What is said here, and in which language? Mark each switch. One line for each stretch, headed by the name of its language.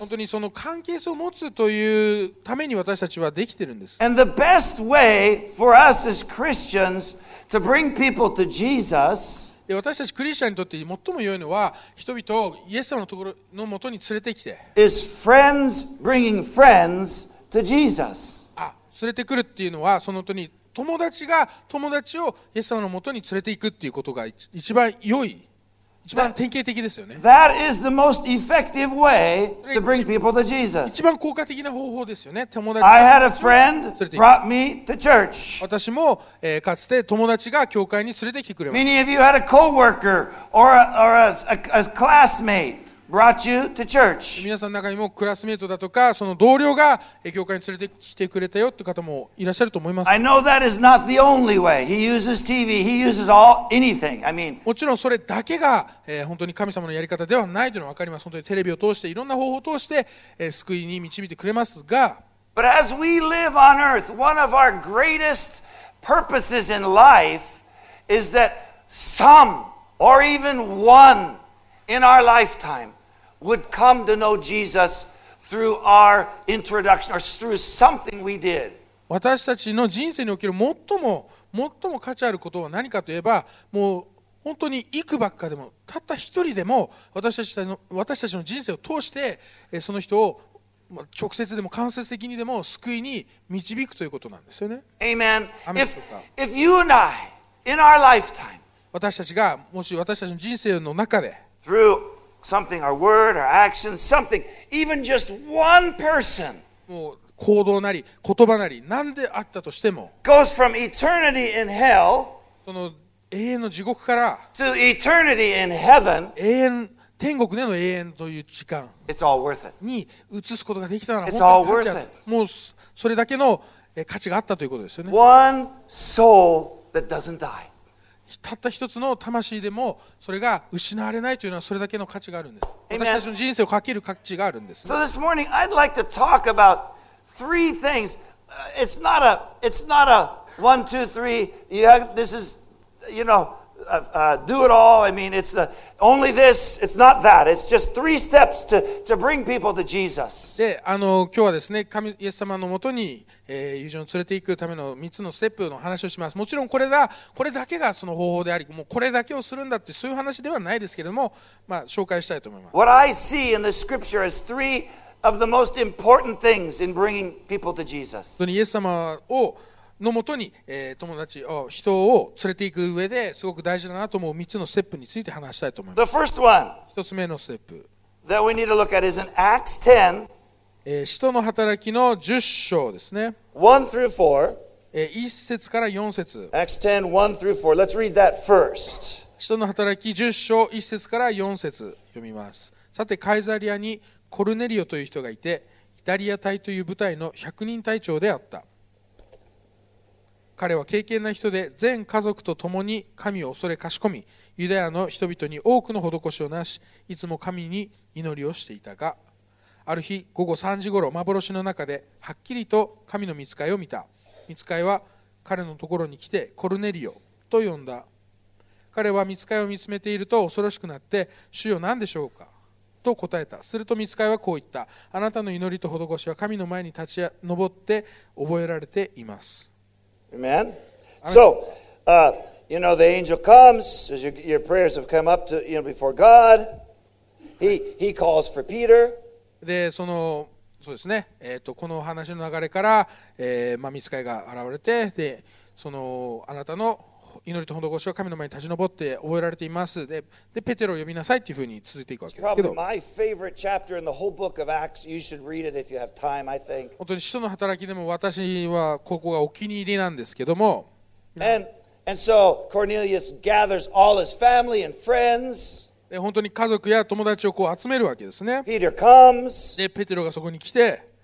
Japanese: 本当にその関係性を持つというために私たちはできてるんです。
English: And the best way for us as Christians to bring people to Jesus.
Japanese: 私たちクリスチャンにとって最も良いのは人々をイエス様のところの元に連れてきて
English: Is friends bringing friends to Jesus.
Japanese: あ、連れてくるっていうのはその本当に友達が友達をイエス様の元に連れていくっていうことが一番良い一番典型的ですよね
English: That is the most effective way to bring people to Jesus.
Japanese: 一番効果的な方法ですよね友達
English: I had a friend brought me to church.
Japanese: 私も、かつて友達が教会に連れてきてくれました
English: Many of you had a co-worker or a classmate brought you to church.
Japanese: 皆さんの中にもクラスメートだとかその同僚が教会に連れてきてくれたよって方もいらっしゃると思います
English: I know that is not the only way. He uses TV. He uses anything. I mean,
Japanese: もちろんそれだけが、本当に神様のやり方ではないというのは分かります。本当にテレビを通していろんな方法を通して、救いに導いてくれますが
English: But as we live on earth, one of our greatest purposes in life is that some or even one in our lifetime would come to know Jesus through our introduction or through something we did.
Japanese: 私たちの人生における最も価値あることは何かといえば、もう本当に幾ばっかでも、たった一人でも私たちの人生を通して、その人を直接でも間接的にでも救いに導くということなんですよね。
English: Amen. If you and I, in our lifetime,
Japanese: 私たちがもし私たちの人生の中で、
English: through something, our word, our action, something, even just one person,
Japanese: もう行動なり言葉なり何であったとしても、
English: goes from eternity in hell,
Japanese: その永遠の地獄から、
English: to eternity in heaven,
Japanese: 永遠天国での永遠という時間、
English: it's all worth it.
Japanese: に移すことができたなら、
English: it's all worth it.
Japanese: もうそれだけの価値があったということですよね。
English: One soul that doesn't die.
Japanese: たった一つの魂でもそれが失われないというのはそれだけの価値があるんです。私たちの人生をかける価値があるんです、ね。
English: So this morning I'd like to talk about three things. It's not a one, two, three. You have, this is, you know, do it all. I mean, it's only this. It's not that. It's just three steps to bring people to Jesus.
Japanese: で、今日はですね、神イエス様のもとに。友人を連れていくための3つのステップの話をします。もちろんこれだけがその方法であり、もうこれだけをするんだってそういう話ではないですけれども、まあ、紹介したいと思います。
English: What I see in the scripture is three of the most important things in bringing people to Jesus.
Japanese: イエス様をのもとに、友達を人を連れていく上ですごく大事だなと思う3つのステップについて話したいと思います。
English: The first one
Japanese: 1つ目のステップ
English: that we need to look at is in Acts 10
Japanese: 使徒の働きの10章ですね。
English: 1 through 4.
Japanese: 1節から4節。
English: Acts 10, 1 through 4. Let's read that first.
Japanese: 使徒の働き10章1節から4節読みます。さて、カイザリアにコルネリオという人がいて、イタリア隊という部隊の百人隊長であった。彼は敬虔な人で、全家族と共に神を恐れかしこみ、ユダヤの人々に多くの施しをなし、いつも神に祈りをしていたが、ある日午後3時ごろ、幻の中ではっきりと神の御使いを見た。御使いは彼のところに来て、コルネリオと呼んだ。彼は御使いを見つめていると恐ろしくなって、主よ何でしょうかと答えた。すると御使いはこう言った。あなたの祈りと施しは神の前に立ち上って覚えられています。
English: Amen. So, you know, the angel comes, as your prayers have come up to, you know, before God. He calls for Peter.
Japanese: で、その、そうですね。この話の流れから、まあ、御使いが現れて、で、その、あなたの祈りと施しは神の前に立ち上って覚えられています。で、ペテロを呼びなさいというふうに続いていくわけですけど。
English: It's probably my favorite chapter in the whole book of Acts. You should read it if you have time, I think.
Japanese: 本当に使徒の働きでも私はここがお気に入りなんですけども。
English: And so Cornelius gathers all his family and friends.
Japanese: 本当に家族や友達をこう集めるわけですね。
English: Peter comes.
Japanese: で、ペテロがそこに来て。